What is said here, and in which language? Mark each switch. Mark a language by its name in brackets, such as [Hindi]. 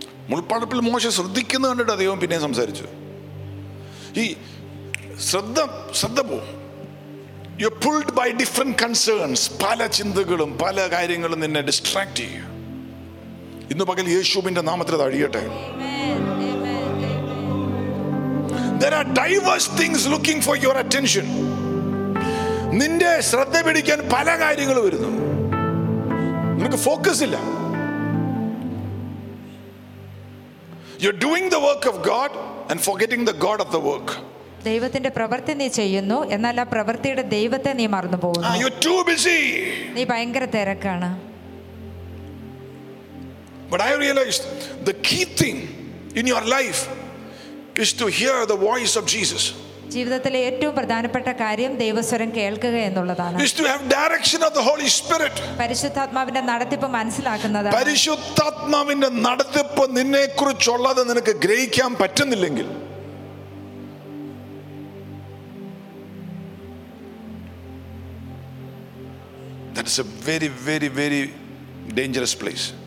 [Malayalam] മുൾപ്പടപ്പിൽ മോശം ശ്രദ്ധിക്കുന്നു കണ്ടിട്ട് അദ്ദേഹം പിന്നെ സംസാരിച്ചു. ഈ ശ്രദ്ധ പോവും. [English] You are pulled by different concerns. [Malayalam] പല ചിന്തകളും പല കാര്യങ്ങളും നിന്നെ ഡിസ്ട്രാക്ട് ചെയ്യും. ഇന്ന് പകൽ യേശുവിന്റെ നാമത്തിൽ അത് അഴിയട്ടെ. [English] There are diverse things looking for your attention. [Malayalam] നിന്റെ ശ്രദ്ധ പിടിക്കാൻ പല കാര്യങ്ങൾ വരുന്നു. നിനക്ക് ഫോക്കസ് ഇല്ല. [English] You're doing the work of God and forgetting the God of the work. [Malayalam] ദൈവത്തിന്റെ പ്രവൃത്തി നീ ചെയ്യുന്നു, എന്നാൽ ആ പ്രവൃത്തിയുടെ ദൈവത്തെ നീ മറന്നു പോകുന്നു. [English] You're too busy. [Malayalam] നീ ഭയങ്കര തിരക്കാണ്. [English] But I realized the key thing in your life is to hear the voice of Jesus. [Malayalam] ജീവിതത്തിലെ ഏറ്റവും പ്രധാനപ്പെട്ട കാര്യം ദൈവസ്വരം കേൾക്കുക എന്നുള്ളതാണ്. [English] Is to have direction of the Holy Spirit. [Malayalam] പരിശുദ്ധാത്മാവിന്റെ നടത്തിപ്പ് മനസ്സിലാക്കുന്നത്. പരിശുദ്ധാത്മാവിന്റെ നടത്തിപ്പ് നിന്നെക്കുറിച്ചുള്ളത് നിനക്ക് ഗ്രഹിക്കാൻ പറ്റുന്നില്ലെങ്കിൽ [English] that is a very very very dangerous place.